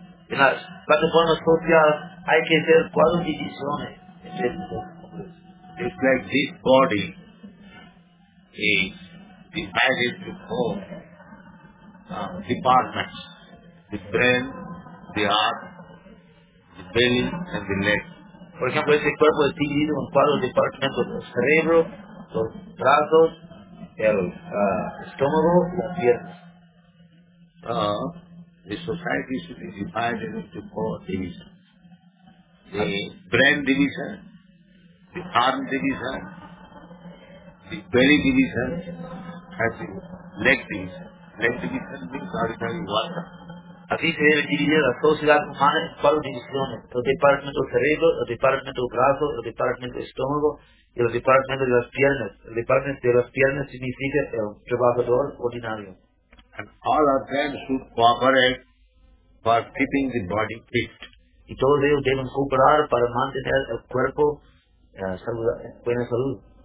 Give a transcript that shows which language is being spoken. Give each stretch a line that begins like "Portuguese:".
English: Yes, but the form of social, I can tell
Spanish: cuatro divisiones.
English: It's like this body is divided into four departments. The brain, the heart, the belly, and the leg. For example,
Spanish: este cuerpo es dividido en cuatro departamentos: el cerebro, los brazos, el estómago y las piernas.
English: The society should be divided into four divisions: the brain division, the arm division, the belly division, and the leg division. Leg division means ordinary water.
Spanish: Así se debe dividir la sociedad humana en cuatro divisiones: el departamento cerebro, el departamento brazo, el departamento estómago y el departamento de las piernas. El departamento de las piernas significa el trabajador ordinario.
English: And all of them should cooperate for keeping the body fit.
Spanish: Y todos ellos deben cooperar para mantener el cuerpo en buena salud.